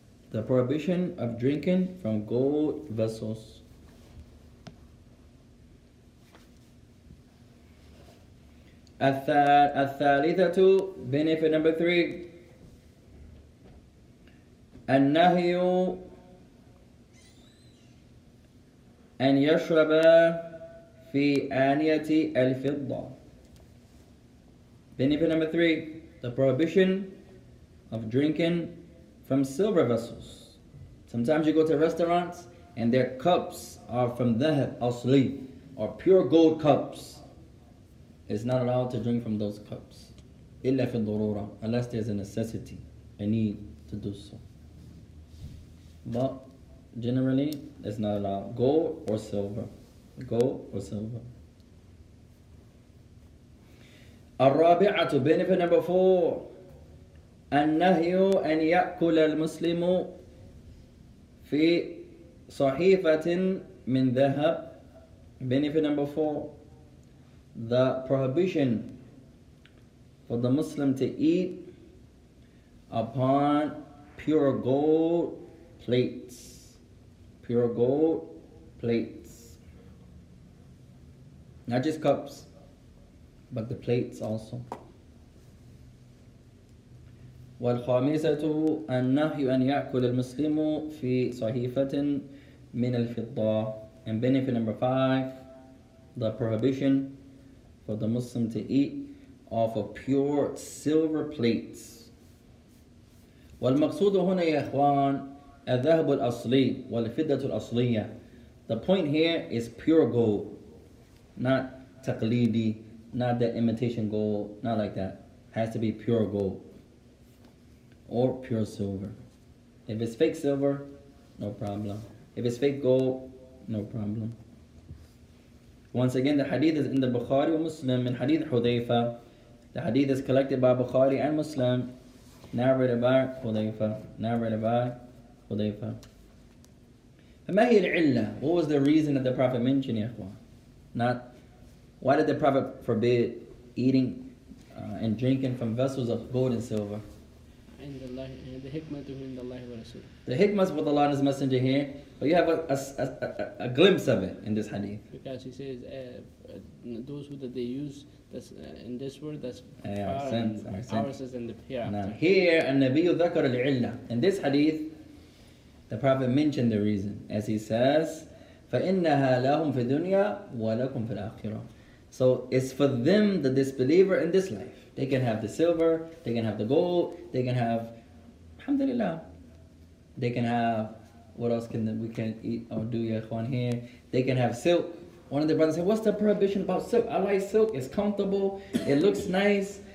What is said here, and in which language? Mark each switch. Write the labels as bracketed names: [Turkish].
[English] The prohibition of drinking from gold vessels. [Arabic] الثالثة, [English] benefit number three. [Arabic] النهي أن يشرب في آنية الفضة. [English] Benefit number three. The prohibition of drinking from silver vessels. Sometimes you go to restaurants and their cups are from [Arabic] dhahab asli, [English] or pure gold cups. It's not allowed to drink from those cups. [Arabic] إلا في الضرورة, [English] unless there's a necessity, a need to do so. But generally, it's not allowed. Gold or silver. Gold or silver. [Arabic] الرابعة, [English] benefit number four. [Arabic] النهي أن يأكل المسلم في صحيفة من ذهب. [English] Benefit number four. The prohibition for the Muslim to eat upon pure gold plates. Pure gold plates. Not just cups, but the plates also. [Arabic] والخامسة النهي أن يأكل المسلم في صحيفة من الفضة. [English] And benefit number five, the prohibition for the Muslim to eat off of pure silver plates. [Arabic] والمقصود هنا يا إخوان الذهب الأصلي والفضة الأصلية. [English] The point here is pure gold, not [Arabic] تقليدي, [English] not the imitation gold, not like that. Has to be pure gold. Or pure silver. If it's fake silver, no problem. If it's fake gold, no problem. Once again, the hadith is in the Bukhari and Muslim, in hadith Hudayfa. The hadith is collected by Bukhari and Muslim, narrated by Hudayfa. [Arabic] فما هي العلة? [English] What was the reason that the Prophet mentioned, [Arabic] يا إخوان? [English] Not, why did the Prophet forbid eating and drinking from vessels of gold and silver? The hikmah with Allah and His Messenger here, but you have a glimpse of it in this hadith. Because he says, those who that they use that's, in this word, that's here, [Arabic] النبي ذكر العلة. [English] In this hadith, the Prophet mentioned the reason. As he says, [Arabic] فَإِنَّهَا لَهُمْ فِي الدُّنْيَا وَلَكُمْ فِي الْآخِرَةِ. [English] So it's for them, the disbeliever, in this life. They can have the silver, they can have the gold, they can have, alhamdulillah. They can have, what else can we can eat or do, [Arabic] ya ikhwan, [English] here? They can have silk. One of the brothers said, what's the prohibition about silk? I like silk, it's comfortable, it looks nice.